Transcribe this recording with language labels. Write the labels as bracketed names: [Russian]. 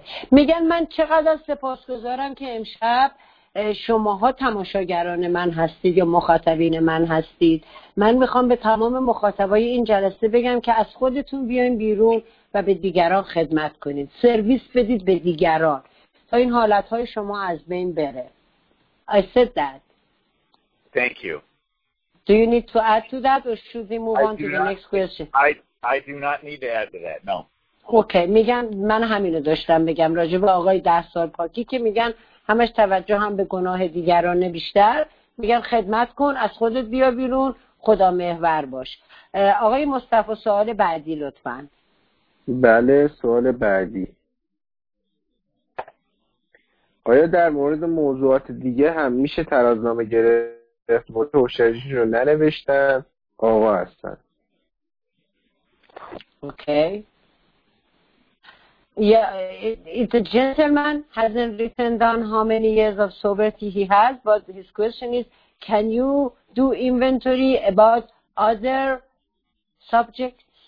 [Persian] میگن من چقدر سپاسگزارم که امشب شماها تماشاگران من هستید یا مخاطبین من هستید. من میخوام به تمام مخاطبای این جلسه بگم که از خودتون بیاین بیرون و به دیگران خدمت کنید، سرویس بدید به دیگران تا این حالتهای شما از بین بره. [English] I said that. Thank you. Do you need to add to that or should we move on to the next question? I do not need to add to that, no. [Persian] اوکی، میگن من همینو داشتم بگم راجع به آقای 10 سال پاکی که میگن همش توجه هم به گناه دیگرانه بیشتر، میگن خدمت کن، از خودت بیا بیرون، خدا محور باش. آقای مصطفی سوال بعدی لطفا. بله، سوال بعدی. آیا در مورد موضوعات دیگه هم میشه ترازنامه گرفت و توشیجی رو ننوشتن؟ آقا هستن. [English] Okay. Yeah, it's a gentleman hasn't written down how many years of sobriety he has, but his question is, can you do inventory about other subjects?